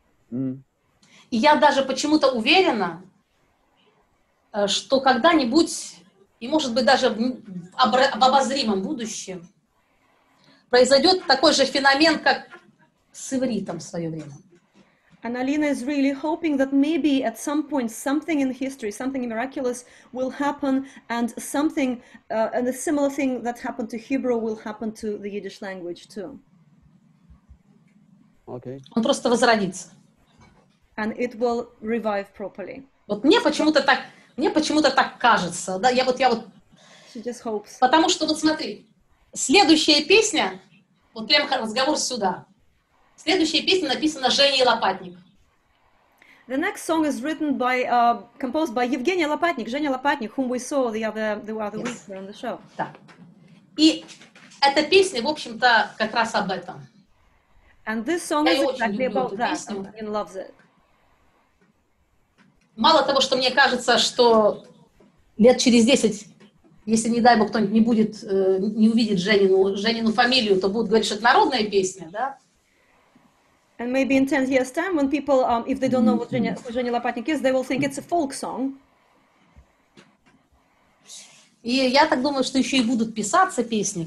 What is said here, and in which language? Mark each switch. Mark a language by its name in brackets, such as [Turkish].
[Russian] И я даже почему-то уверена, что когда-нибудь, и может быть даже в обозримом будущем, произойдет такой же феномен, как с ивритом в свое время. [English] And Alina is really hoping that maybe at some point something in history, something miraculous will happen, and something, and a similar thing that happened to Hebrew will happen to the Yiddish language too. Okay. [Russian] Он просто возродится. [English] And it will revive properly. [Russian] Вот мне почему-то так кажется, да, я вот. [English] She just hopes. [Russian] Потому что вот смотри. Следующая песня, вот прям разговор сюда. Следующая песня написана Женей Лопатник. [English] The next song is written by, composed by Евгения Лопатник, Женя Лопатник, whom we saw the other yes. week on the show. [Russian] Да. И эта песня, в общем-то, как раз об этом. [English] And this song is exactly about that. Евгения loves it. [Russian] Мало того, что мне кажется, что лет через 10... Если, не дай бог, кто-нибудь не будет, не увидит Женину фамилию, то будут говорить, что это народная песня, да? [English] And maybe in 10 years' time, when people, if they don't know what Женя Лопатник is, they will think it's a folk song. [Russian] И я так думаю, что еще и будут писаться песни.